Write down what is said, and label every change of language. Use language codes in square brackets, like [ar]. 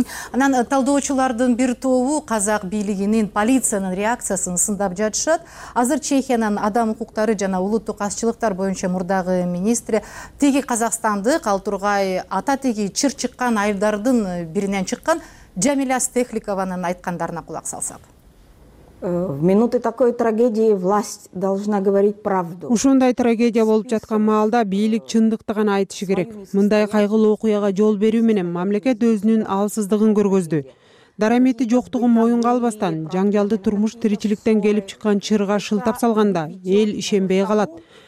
[ky] Анан талдоочулардын бир тобу казак бийлигинин, полициянын реакциясын сындап жатышат. Азыр Чехиянын адам укуктары жана улуттук азчылыктар боюнча мурдагы министри Теги Казакстандык Алтургай Ататеги чыр чыккан айылдардын биринен чыккан Жамиля Стехликованын айткандарына кулак салсак. [ru] В минуты такой трагедии власть должна говорить правду. [ky] Ушундай трагедия болуп жаткан маалда бийлик чындыкты гана айтышы керек. Мындай кайгылуу окуяга жол берүү менен мамлекет өзүнүн алсыздыгын көргөздү. Дарамети жоктугун моюнга албастан, жаңжалды турмуш тиричиликтен келип чыккан чырга шылтап салганда эл ишенбей калат.